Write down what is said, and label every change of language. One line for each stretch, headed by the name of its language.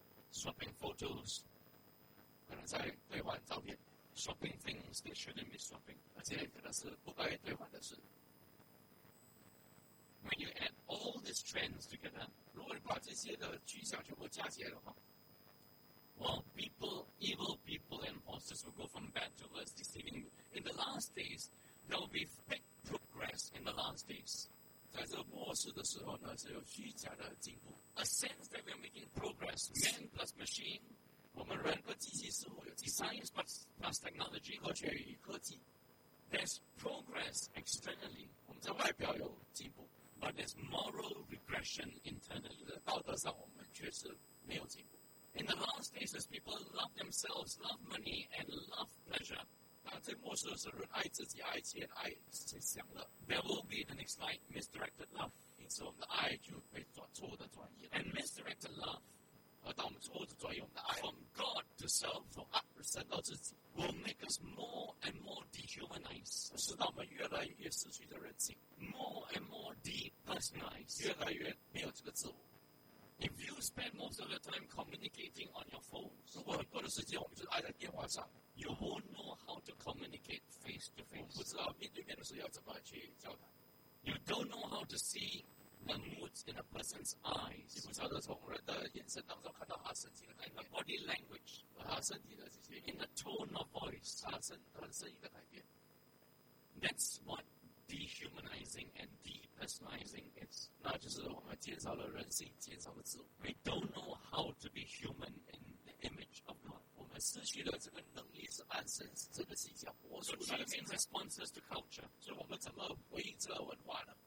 English: ，Swapping photos。
Chinese: 可能在兑换照片
English: ，swapping things they shouldn't be swapping，
Chinese: 而且可能是不该兑换的事。
English: When you add all these trends together，
Chinese: 如果你把这些的趋向全部加起来的话
English: ，well people, evil people and monsters will go from bad to worse, deceiving you. In the last days, there will be big progress. In the last days，
Chinese: 在这个末世的时候呢，是有虚假的进步。
English: A sense that we are making progress, man plus machine。
Chinese: 我们人和机器似乎有
English: science plus technology
Chinese: 科学与科技
English: ，there's progress externally
Chinese: 我们在外表有进步
English: ，but there's moral regression internally
Chinese: 在道德上我们确实没有进步。
English: In the last days, as people love themselves, love money, and love pleasure，
Chinese: 当最末世的时候，爱自己、爱钱、爱享乐
English: ，there will be the next slide misdirected love，
Chinese: 因此我们的爱就会转错误的转移
English: ，and misdirected love。
Chinese: 而当我们错误的转移我们的爱
English: ，from God to self，
Chinese: 从爱而升到自己
English: ，will make us more and more dehumanized，
Chinese: 使到我们越来越失去的人性
English: ，more and more depersonalized，
Chinese: 越来越没有这个自我。
English: If you spend most of your time communicating on your phone，
Chinese: 如果很多的时间我们就爱在电话上
English: ，you won't know how to communicate face to face，
Chinese: 不知道面对面的时候要怎么去交谈
English: ，you don't know how to see。 The moods in a person's eyes.
Chinese: 你不晓得从人的眼神当中看到他身体的改变。
English: The body language.
Chinese: 和他身体的这些。
English: In the tone of voice.
Chinese: 他声音的改变。
English: That's what dehumanizing and depersonalizing is.
Chinese: 那就是我们减少了人性，减少了自我。
English: We don't know how to be human in the image of God.
Chinese: 我们失去了这个能力是按神这个形象活出来的。
English: So choosing responses to culture.
Chinese: 所以我们怎么回应这个文化呢？